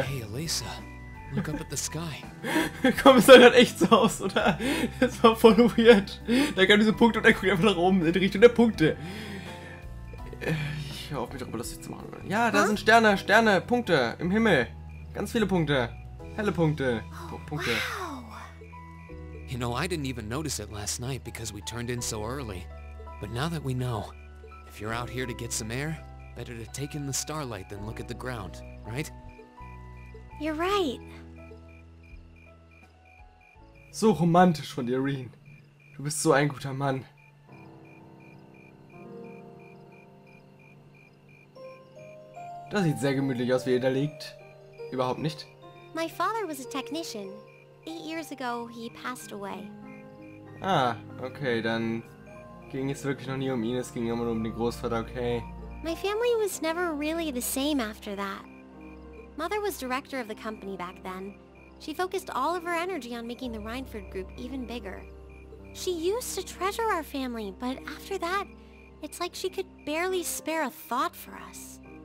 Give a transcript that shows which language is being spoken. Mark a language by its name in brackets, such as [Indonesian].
[English] Hey, Elisa, look up at the sky. [German] Komm, es sah gerade echt so aus, oder? Das war voll weird. Da kam diese Punkte und er guckt einfach nach oben in die Richtung der Punkte. Ich hoffe, mich darüber lustig zu machen. Ja, da sind Sterne, Sterne, Punkte im Himmel. Ganz viele Punkte. Helle Punkte. Punkte. Wow. [English] You know, I didn't even notice it last night because we turned in so early. But now that we know, if you're out here to get some air, better to take in the starlight than look at the ground, right? You're right. [German] So romantisch von dir, Rean. Du bist so ein guter Mann. Das sieht sehr gemütlich aus, wie ihr da liegt. Überhaupt nicht. [English] My father was a technician. 8 years ago, he passed away. [German] Ah, okay, dann ging es wirklich noch nie um ihn, es ging immer nur um den Großvater, okay. [English] My family was never really the same after that. Mother was director of the company back then. She focused all of her energy on making the Reinford Group even bigger. She used to treasure our family, but after that, it's like she could barely spare a thought for us.